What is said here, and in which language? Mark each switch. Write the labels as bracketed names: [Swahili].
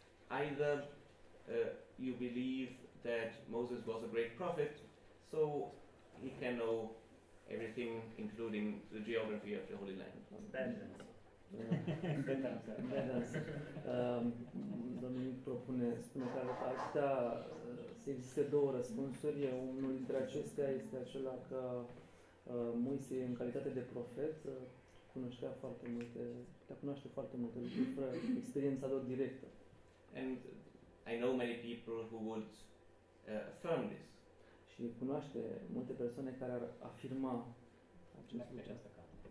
[English] Either you believe that Moses was a great prophet, so he can know everything, including the geography of the Holy Land. [Romanian] Dominic spune că există două răspunsuri. Unul dintre acestea este acela că Moise, în calitate de profet, cunoaște foarte multe lucruri fără experiența lor directă. [English] And I know many people who would affirm this. [Romanian] Și cunoaște multe persoane care ar afirma acest lucru.